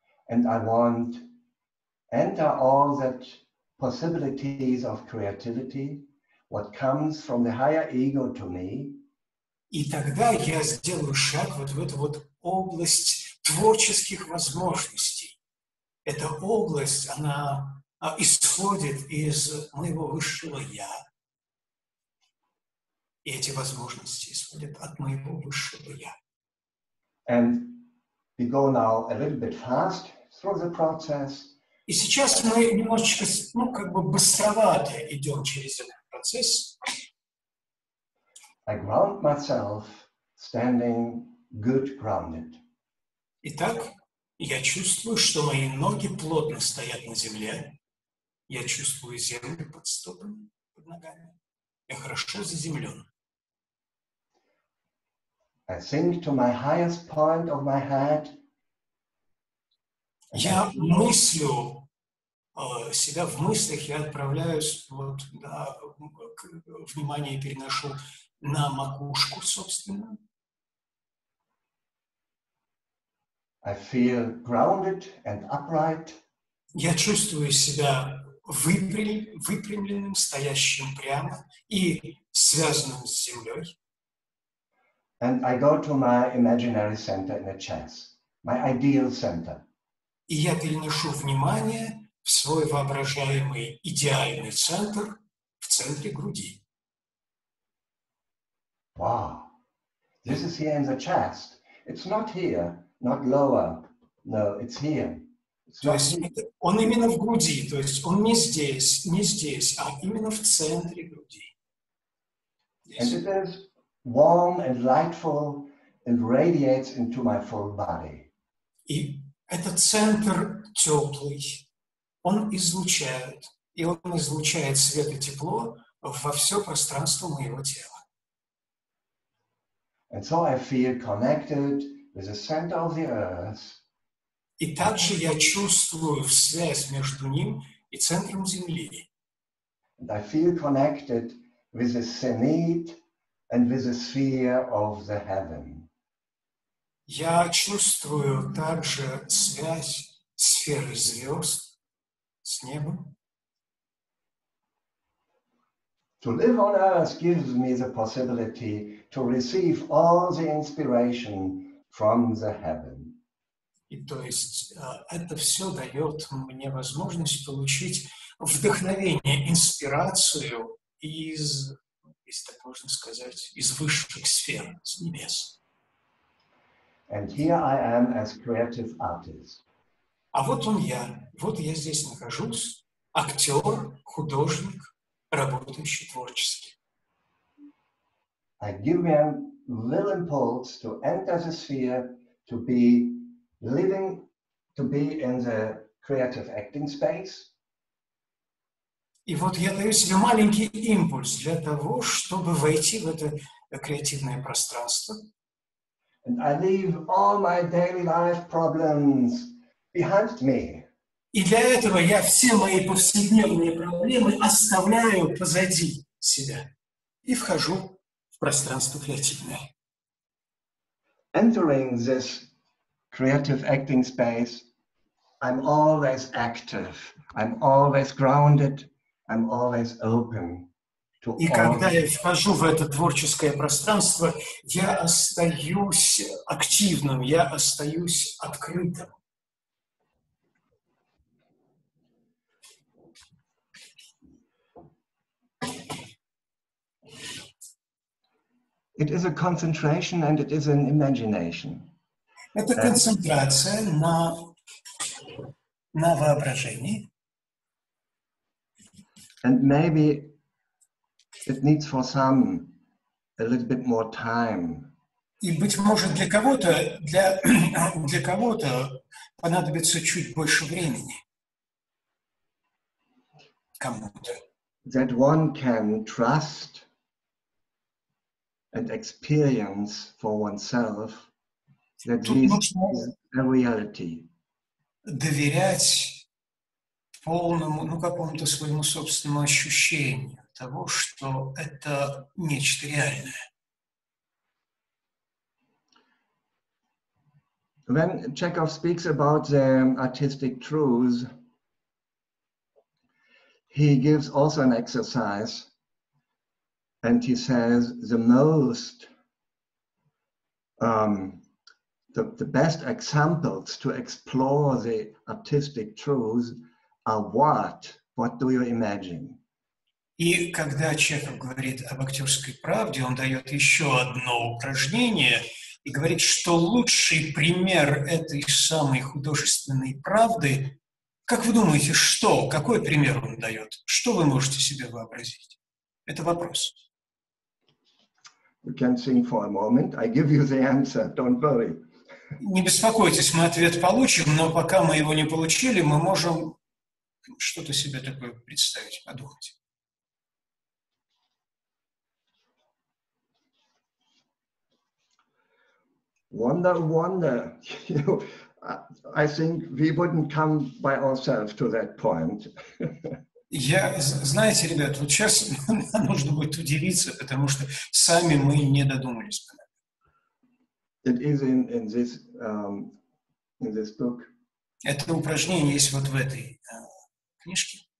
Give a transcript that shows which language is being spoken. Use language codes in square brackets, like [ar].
[en] And I want enter all that possibilities of creativity, what comes from the higher ego to me. [ru] И тогда я сделаю шаг вот в эту вот область творческих возможностей. Эта область, она исходит из моего высшего Я. И эти возможности исходят от моего высшего Я. [en] And we go now a little bit fast through the process. [ru] И сейчас мы немножечко, ну, как бы быстровато идем через этот процесс. [en] I ground myself standing good grounded. [ru] Итак, я чувствую, что мои ноги плотно стоят на земле. Я чувствую землю под стопами, под ногами. Я хорошо заземлен. [en] I think to my highest point of my head. [ru] Я мыслю себя в мыслях, я отправляюсь, вот, да, внимание переношу на макушку, собственно. [en] I feel grounded and upright. [ru] Я чувствую себя выпрямленным, стоящим прямо и связанным с землей. [en] And I go to my imaginary center in the chest, my ideal center. [ru] И я переношу внимание в свой воображаемый идеальный центр, в центре груди. [en] Wow, this is here in the chest. It's not here, not lower. No, it's here. It's [ru] то есть [en] here. [ru] Он именно в груди, то есть он не здесь, а именно в центре груди. [en] Yes. And it is warm and lightful and radiates into my full body. [ru] И этот центр теплый, он излучает, и он излучает свет и тепло во все пространство моего тела. [en] And so I feel connected with the center of the earth. [ru] И также я чувствую связь между ним и центром земли. [en] And I feel connected with the zenith and with the sphere of the heaven. [ru] Я чувствую также связь сферы звезд с небом. [en] To live on earth gives me the possibility to receive all the inspiration from the heaven. [ru] И то есть это все дает мне возможность получить вдохновение, инспирацию из, если так можно сказать, из высших сфер, с небес. [en] And here I am as creative artist. [ru] А вот он я. Вот я здесь нахожусь. Актер, художник, работающий творчески. [en] I give me a little impulse to enter the sphere, to be living, to be in the creative acting space. [ru] И вот я даю себе маленький импульс для того, чтобы войти в это креативное пространство. [en] And I leave all my daily life problems behind me. [ru] И для этого я все мои повседневные проблемы оставляю позади себя и вхожу в пространство креативное. [en] Entering this creative acting space, I'm always active, I'm always grounded, I'm always open. [ru] И когда я вхожу в это творческое пространство, я остаюсь активным, я остаюсь открытым. [en] It is a concentration and it is an imagination. [ru] Это концентрация на воображении. [en] And maybe it needs for some a little bit more time. [ru] И быть может для кого-то для кого-то понадобится чуть больше времени. Кому-то. [en] That one can trust and experience for oneself That [ru] нужно [en] reality. [ru] Доверять полному, ну, какому-то своему собственному ощущению того, что это нечто реальное. [en] When Chekhov speaks about the artistic truths, he gives also an exercise, and he says the most, the best examples to explore the artistic truths are what do you imagine? [ru] И когда Чехов говорит об актерской правде, он дает еще одно упражнение и говорит, что лучший пример этой самой художественной правды. Как вы думаете, что? Какой пример он дает? Что вы можете себе вообразить? Это вопрос. [en] You can sing for a moment. I give you the answer. Don't worry. [ru] Не беспокойтесь, мы ответ получим, но пока мы его не получили, мы можем что-то себе такое представить, подумать. [en] Wonder, wonder. I think we wouldn't come by ourselves to that point. [ru] Я, знаете, ребят, вот сейчас нам нужно будет удивиться, потому что сами мы не додумались. [en] It is in this book. [ru] Это упражнение есть вот в этой книжке.